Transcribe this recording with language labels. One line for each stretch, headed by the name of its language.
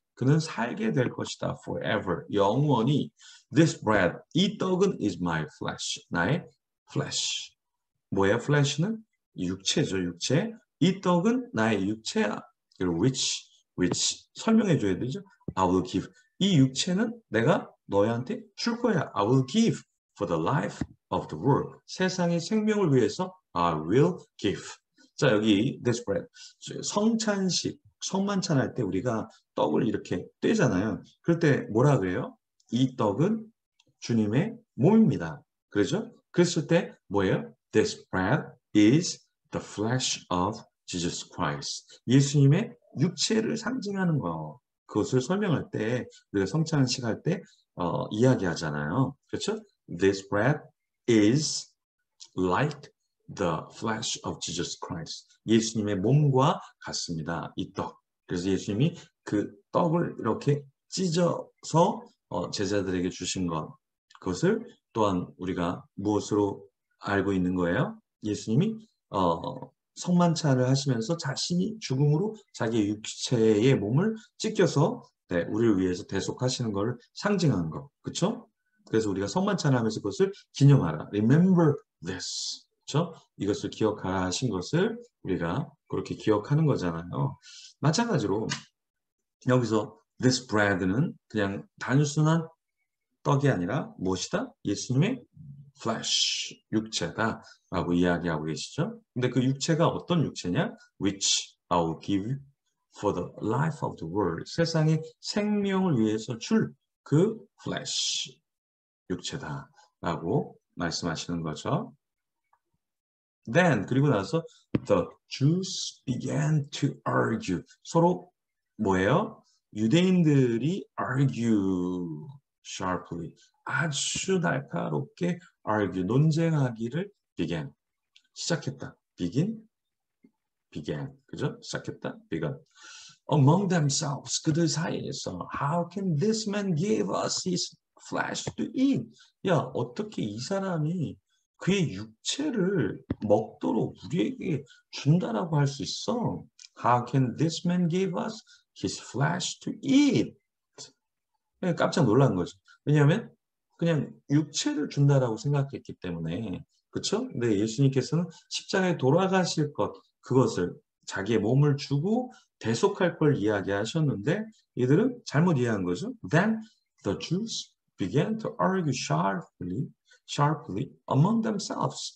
Korean: 그는 살게 될 것이다. Forever. 영원히.
English: This bread,
Korean: 이 떡은
English: is my flesh.
Korean: 나의 flesh. 뭐야, flesh는? 육체죠, 육체. 이 떡은 나의 육체야. Which. 설명해 줘야 되죠.
English: I will give.
Korean: 이 육체는 내가 너희한테 줄 거야.
English: I will give for the life of the world.
Korean: 세상의 생명을 위해서
English: I will give.
Korean: 자, 여기 this bread. 성찬식, 성만찬 할때 우리가 떡을 이렇게 떼잖아요. 그럴 때 뭐라 그래요? 이 떡은 주님의 몸입니다. 그렇죠? 그랬을 때 뭐예요?
English: This bread is the flesh of Jesus Christ.
Korean: 예수님의 육체를 상징하는 거. 그것을 설명할 때 우리가 성찬식 할때 이야기하잖아요.
English: 그렇죠? This bread is light. The flesh of Jesus Christ.
Korean: 예수님의 몸과 같습니다. 이 떡. 그래서 예수님이 그 떡을 이렇게 찢어서 제자들에게 주신 것. 그것을 또한 우리가 무엇으로 알고 있는 거예요? 예수님이 성만찬을 하시면서 자신이 죽음으로 자기 육체의 몸을 찢겨서 네, 우리를 위해서 대속하시는 것을 상징하는 것. 그렇죠? 그래서 우리가 성만찬을 하면서 그것을 기념하라.
English: Remember this.
Korean: 이것을 기억하신 것을 우리가 그렇게 기억하는 거잖아요. 마찬가지로 여기서 this bread는 그냥 단순한 떡이 아니라 무엇이다? 예수님의 flesh, 육체다라고 이야기하고 계시죠. 근데 그 육체가 어떤 육체냐?
English: Which I will give for the life of the world.
Korean: 세상의 생명을 위해서 줄그 flesh, 육체다라고 말씀하시는 거죠.
English: Then,
Korean: 그리고 나서,
English: the Jews began to argue.
Korean: 서로, 뭐예요? 유대인들이 argue sharply. 아주 날카롭게 argue. 논쟁하기를 began. 시작했다. Begin, began. 그죠? 시작했다. Begun.
English: among themselves,
Korean: 그들 사이에서,
English: how can this man give us his flesh to eat?
Korean: 야, 어떻게 이 사람이 그의 육체를 먹도록 우리에게 준다라고 할 수 있어?
English: How can this man give us his flesh to eat?
Korean: 깜짝 놀란 거죠. 왜냐하면 그냥 육체를 준다라고 생각했기 때문에, 그렇죠? 근데 예수님께서는 십자가에 돌아가실 것, 그것을 자기의 몸을 주고 대속할 걸 이야기하셨는데 이들은 잘못 이해한 거죠.
English: Then the Jews began to argue sharply among themselves.